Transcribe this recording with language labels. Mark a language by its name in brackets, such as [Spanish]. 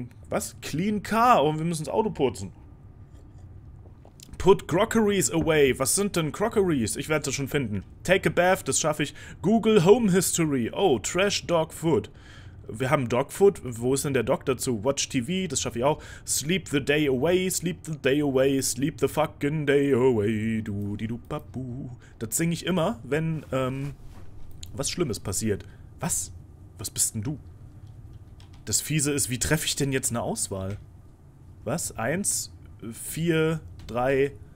[German] Was? [English] Clean Car. [German] Oh, wir müssen das Auto putzen. [English] put Crockeries away. [German] Was sind denn Crockeries? Ich werde das schon finden. [English] Take a bath, [German] das schaffe ich. [English] Google Home History. [German] Oh, [English] Trash Dog Food. [German] Wir haben Dog Food. Wo ist denn der Dog dazu? Watch TV, das schaffe ich auch. [English] Sleep the day away, sleep the day away, sleep the fucking day away. Du, die du, babu. [German] Das singe ich immer, wenn, was Schlimmes passiert. Was? Was bist denn du? Das Fiese ist, wie treffe ich denn jetzt eine Auswahl? Was? 1, 4, 3.